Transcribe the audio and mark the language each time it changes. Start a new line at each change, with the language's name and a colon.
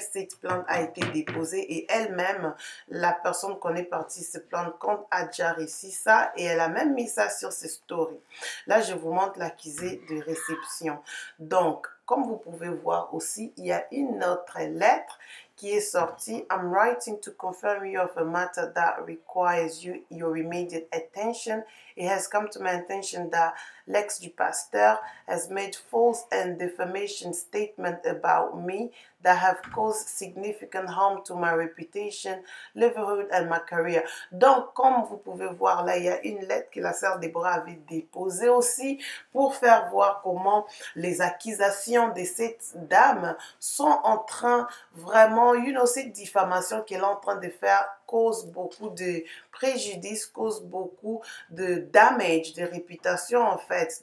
French: Cette plainte a été déposée et elle-même, la personne qu'on est partie se plaindre contre a déjà réussi ça et elle a même mis ça sur ses stories. Là, je vous montre l'accusé de réception. Donc, comme vous pouvez voir aussi, il y a une autre lettre qui est sortie.
English: I'm writing to confirm you of a matter that requires you your immediate attention. It has come to my attention that
French: l'ex du pasteur
English: has made false and defamation statements about me that have caused significant harm to my reputation, livelihood and my career.
French: Donc, comme vous pouvez voir là, il y a une lettre que la sœur Déborah avait déposée aussi pour faire voir comment les accusations de cette dame sont en train vraiment, you know, cette diffamation qu'elle est en train de faire cause beaucoup de préjudice, cause beaucoup de damage, de réputation en fait.